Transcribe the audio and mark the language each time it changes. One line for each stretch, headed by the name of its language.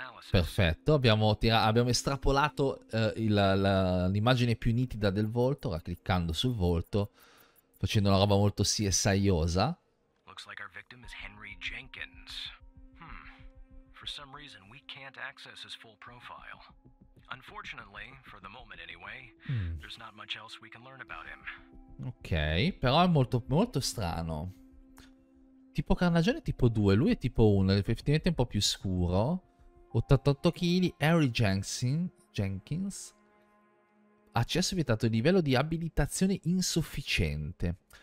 Italian: Perfetto, abbiamo estrapolato l'immagine più nitida del volto, ora cliccando sul volto, facendo una roba molto CSI-osa.
English: Looks like our victim is Henry Jenkins. For some reason we can't access his full profile. Unfortunately, for the moment anyway, there's not much else we can learn about him.
Italian: Ok, però è molto molto strano. Tipo carnagione tipo 2, lui è tipo 1, effettivamente è un po' più scuro. 88 kg, Harry Jenkins. Accesso vietato, livello di abilitazione insufficiente.